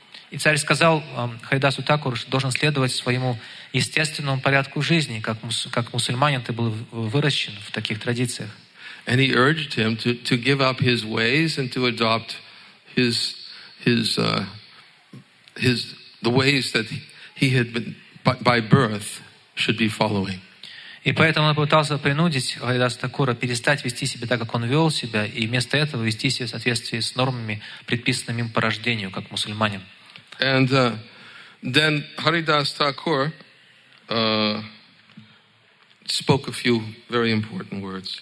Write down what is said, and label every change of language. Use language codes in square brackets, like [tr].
[ru] И царь сказал Харидасу Такуру, что должен следовать своему естественному порядку жизни, как мусульманин ты был выращен в таких традициях. [en] And he urged him to give up his ways and to adopt his the ways that he had been by birth should be following. [ru] И поэтому он пытался принудить Харидаса Такура перестать вести себя так, как он вел себя, и вместо этого вести себя в соответствии с нормами, предписанными им по рождению, как мусульманин. [en] And then Haridas Thakur spoke a few very important words.